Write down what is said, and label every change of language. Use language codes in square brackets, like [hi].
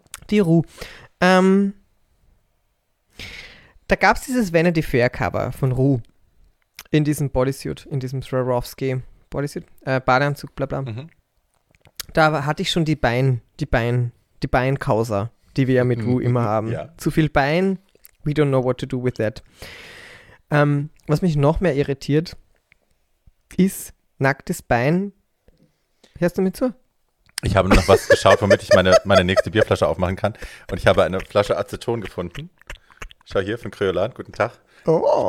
[de] Die Rue. Da gab es dieses Vanity Fair Cover von Ru in diesem Bodysuit, in diesem Swarovski Bodysuit, Badeanzug, bla bla. Mhm. Da hatte ich schon die Beinkausa, die wir ja mit Ru immer haben. Ja. Zu viel Bein, [en] we don't know what to do with that. [de] Was mich noch mehr irritiert, ist nacktes Bein. Hörst du mir zu? Ich habe nur noch was geschaut, womit ich meine nächste Bierflasche aufmachen kann. Und ich habe eine Flasche Aceton gefunden. Schau hier, von Kryolan, guten Tag. Oh.